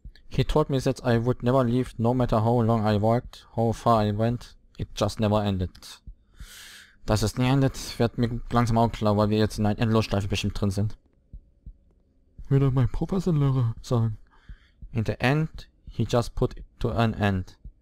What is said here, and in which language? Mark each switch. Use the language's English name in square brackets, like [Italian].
[English] He told me that I would never leave, no matter how long I walked, how far I went. It just never ended. [German] Dass es nie endet, wird mir langsam auch klar, weil wir jetzt in einer Endlosschleife bestimmt drin sind. Würde mein Professorlehrer sagen. [English] In the end, he just put it to an end.